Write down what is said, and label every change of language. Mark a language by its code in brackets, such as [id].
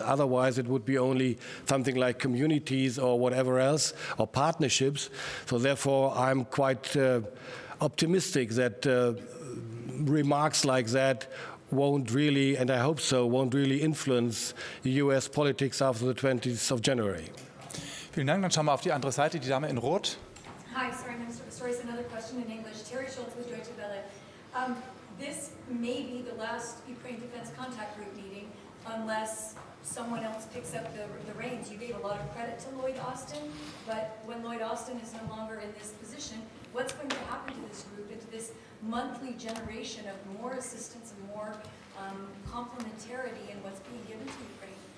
[en] Otherwise, it would be only something like communities or whatever else, or partnerships. So therefore, I'm quite optimistic that remarks like that won't really, and I hope so, won't really influence U.S. politics after the 20th of January. [de] Vielen Dank. Dann schauen wir auf die andere Seite, die Dame in Rot. [en] Hi, sorry, I'm sorry, it's another question in English. Terry Schultz with Deutsche Welle. This may be the last Ukraine Defense Contact Group meeting unless someone else picks up the reins. You gave a lot of credit to Lloyd Austin, but when Lloyd Austin is no longer in this position, what's going to happen to this group and to this monthly generation of more assistance and more complementarity in what's being given to Ukraine?